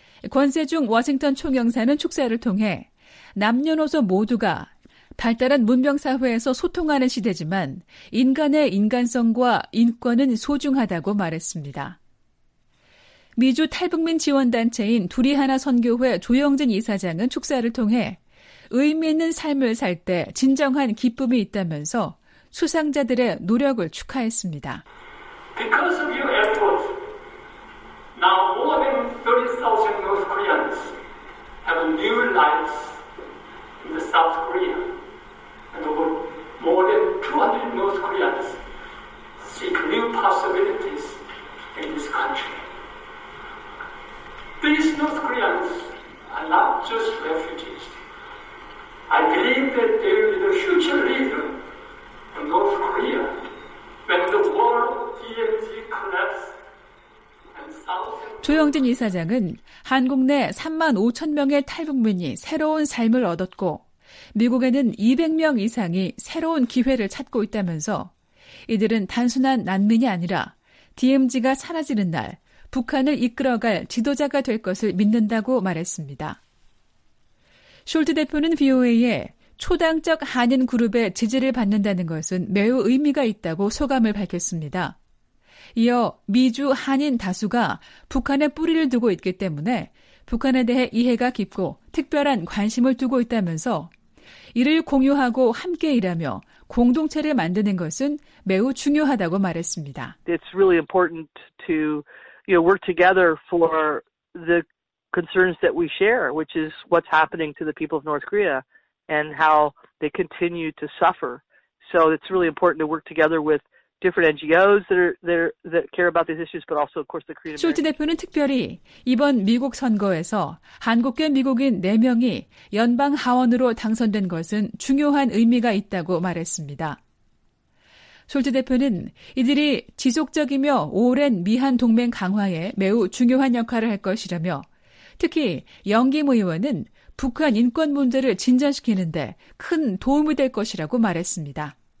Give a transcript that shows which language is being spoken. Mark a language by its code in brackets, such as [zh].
[ko] 권세중 워싱턴 총영사는 축사를 통해 남녀노소 모두가 발달한 문명사회에서 소통하는 시대지만 인간의 인간성과 인권은 소중하다고 말했습니다. 미주 탈북민 지원단체인 둘이 하나 선교회 조영진 이사장은 축사를 통해 의미 있는 삶을 살 때 진정한 기쁨이 있다면서 수상자들의 노력을 축하했습니다. [en] Because of your efforts, now more than 30,000 North Koreans have new lives in the South Korea. And more than 200 North Koreans seek new possibilities in this country. These North Koreans are not just refugees. I believe that they will be the future leader of North Korea when the world DMZ collapses. [ko] 조영진 이사장은 한국 내 3만 5천 명의 탈북민이 새로운 삶을 얻었고 미국에는 200명 이상이 새로운 기회를 찾고 있다면서 이들은 단순한 난민이 아니라 DMZ가 사라지는 날 북한을 이끌어갈 지도자가 될 것을 믿는다고 말했습니다. 숄트 대표는 VOA에 초당적 한인 그룹의 지지를 받는다는 것은 매우 의미가 있다고 소감을 밝혔습니다. 이어 미주 한인 다수가 북한에 뿌리를 두고 있기 때문에 북한에 대해 이해가 깊고 특별한 관심을 두고 있다면서 이를 공유하고 함께 일하며 공동체를 만드는 것은 매우 중요하다고 말했습니다. [en] It's really important to, you know, work together for the concerns that we share, which is what's happening to the people of North Korea and how they continue to suffer. So it's really important to work together with different NGOs that care about these issues, but also, of course, the Korean. [ko] 쇼츠 대표는 특별히 이번 미국 선거에서 한국계 미국인 네 명이 연방 하원으로 당선된 것은 중요한 의미가 있다고 말했습니다. 솔트 대표는 이들이 지속적이며 오랜 미한 동맹 강화에 매우 중요한 역할을 할 것이라며 특히 영김 의원은 북한 인권 문제를 진전시키는 데 큰 도움이 될 것이라고 말했습니다.